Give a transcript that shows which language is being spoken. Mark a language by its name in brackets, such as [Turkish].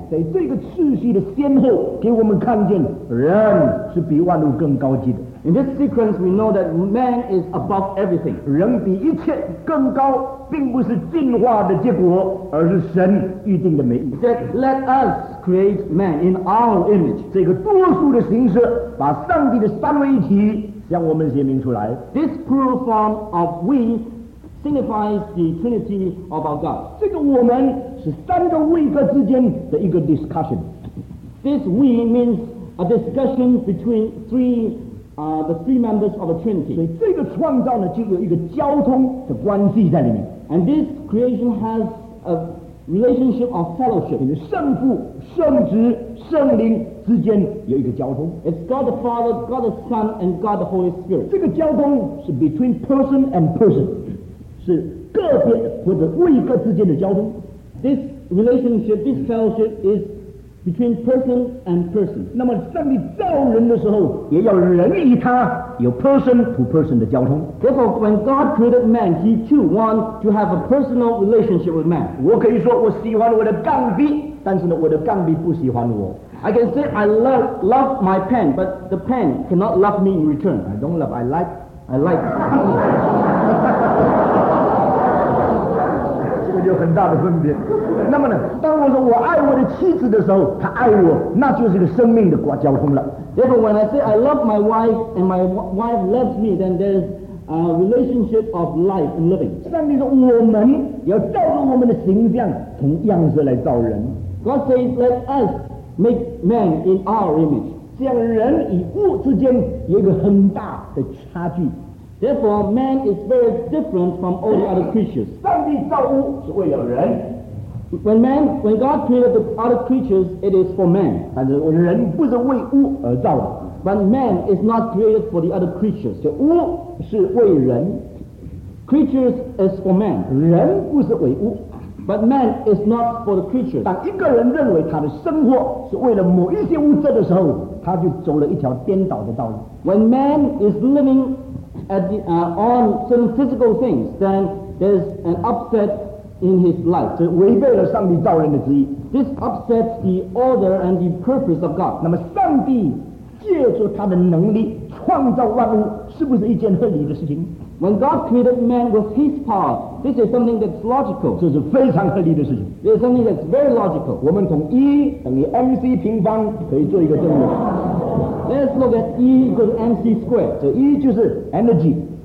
[Chinese] 在这个次序的先后给我们看见人是比万物更高级的。 [English] In this sequence, we know that man is above everything. [Chinese] 人比一切更高并不是进化的结果，而是神预定的美意。 [English] He said, let us create man in our image. [Chinese] 这个多数的形式把上帝的三位一体向我们显明出来。 [English] This plural form of we signifies the Trinity of our God. [Chinese] 这个我们是三个位格之间的一个 discussion. [English] This we means a discussion between the three members of a Trinity. [Chinese] 所以这个创造呢，就有一个交通的关系在里面。 [English] And this creation has a relationship of fellowship. [Chinese] 你的圣父、圣子、圣灵之间有一个交通。 [English] It's God the Father, God the Son, and God the Holy Spirit. [Chinese] 这个交通是 [English] between person and person， [Chinese] 是个别或者位格之间的交通。 [English] This relationship, this fellowship is between person and person. [Chinese] 那么上帝造人的时候，也要人与他有 [English] person to person [Chinese] 的交通。 [English] Therefore, when God created man, he too want to have a personal relationship with man. [Chinese] 我可以说我喜欢我的钢笔，但是呢，我的钢笔不喜欢我。 [English] I can say I love my pen, but the pen cannot love me in return. I don't love, I like. I like. [Chinese] 这个有很大的分别。那么呢，当我说我爱我的妻子的时候，她爱我，那就是一个生命的交通了。 [English] Therefore, when I say I love my wife and my wife loves me, then there's a relationship of life and living. [Chinese] 上帝说我们要照着我们的形象，从样式来造人。 [English] God says, let us make man in our image. [Chinese] 这样人与物之间有一个很大的差距。 [English] Therefore, man is very different from all the other creatures. [Chinese] 上帝造物是为了人。 [English] When God created the other creatures, it is for man. [Chinese] 但是人不是为物而造的。 [English] But man is not created for the other creatures. [Chinese] 这物是为人。 [English] Creatures is for man. [Chinese] 人不是为物。 [English] But man is not for the creatures. [Chinese] 当一个人认为他的生活是为了某一些物质的时候，他就走了一条颠倒的道路。 [English] When man is living on some physical things, then there's an upset in his life. [Chinese] 这违背了上帝造人的旨意。 [English] This upsets the order and the purpose of God. [Chinese] 那么上帝借助他的能力创造万物，是不是一件合理的事情？ [English] When God created man with his power, this is something that's logical. [Chinese] 这是非常合理的事情。 [English] This is something that's very logical. [Chinese] 我们从 E 等于 MC 平方可以做一个证明。 [English] Let's look at E equals MC squared. [Chinese] 这 E 就是 energy.